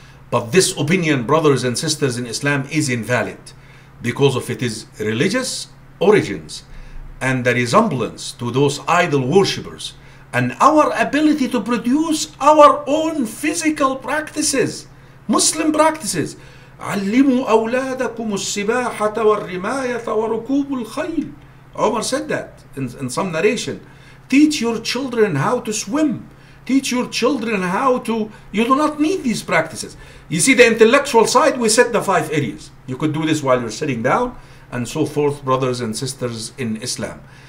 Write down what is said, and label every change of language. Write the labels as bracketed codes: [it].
[en] But this opinion, brothers and sisters in Islam, is invalid because of its religious origins and the resemblance to those idol worshippers and our ability to produce our own physical practices, Muslim practices. [ar] علموا أولادكم السباحة والرماية وركوب الخيل. [en] Umar said that in some narration. Teach your children how to swim. Teach your children how to... You do not need these practices. You see, the intellectual side, we set the five areas. You could do this while you're sitting down and so forth, brothers and sisters in Islam.